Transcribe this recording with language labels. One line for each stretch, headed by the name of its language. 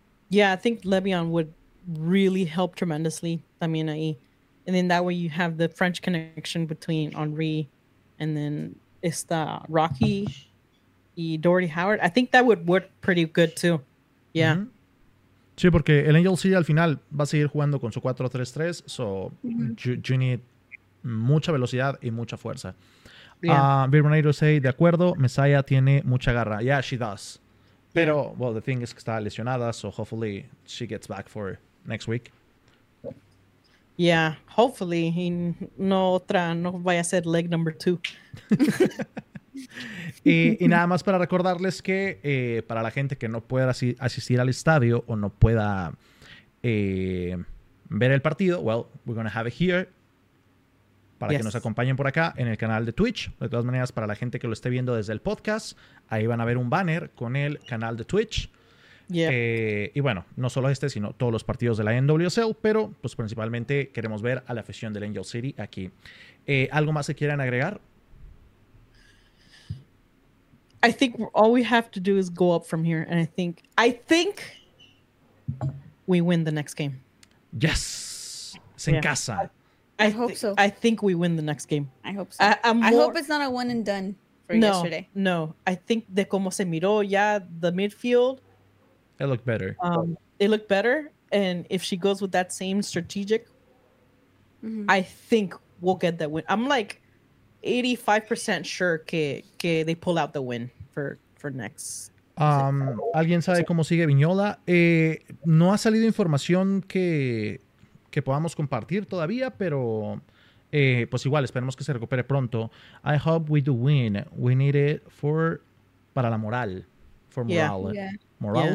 English: Yeah, I think Le'Veon would really help tremendously.
Spanish: También ahí.
English: And then that way you have the French connection between Henri and then esta Rocky y Doherty Howard. I think that would work pretty good too. Yeah. Mm-hmm.
Spanish: Sí, porque el Angel City al final va a seguir jugando con su 4-3-3.
English: So, you need
Spanish: mucha velocidad y mucha fuerza. Yeah. Birmanator say, de acuerdo, Messiah tiene mucha garra.
English: Yeah, she does. Pero, well, the thing is
Spanish: que está lesionada,
English: so hopefully she gets back for next week. Yeah, hopefully.
Spanish: Y no otra, no vaya a ser
English: leg number two.
Spanish: y nada más para recordarles que para la gente que no pueda asistir al estadio o no pueda ver el partido,
English: well, we're going to have it here.
Spanish: Para que nos acompañen por acá en el canal de Twitch. De todas maneras, para la gente que lo esté viendo desde el podcast, ahí van a ver un banner con el canal de Twitch.
English: Yeah.
Spanish: Y bueno, no solo este, sino todos los partidos de la NWSL, pero pues principalmente queremos ver a la afición del Angel City aquí. ¿Algo más que quieran agregar?
English: I think all we have to do is go up from here, and I think we win the next game.
Spanish: Yes! Es en casa.
English: I hope so. I think we win the next game. I hope so. I hope it's not a one and done for yesterday.
Spanish: No,
English: I think
Spanish: de como se miró ya
English: the midfield. It looked better. It looked better. And if she goes with that same strategic, I think we'll get that win. I'm like 85% sure que they pull out the win for next.
Spanish: ¿Alguien sabe cómo sigue Viñola? No ha salido información que podamos compartir todavía, pero pues igual, esperemos que se recupere pronto.
English: I hope we do win. We need it
Spanish: para la moral.
English: For morale. Yeah. Morale.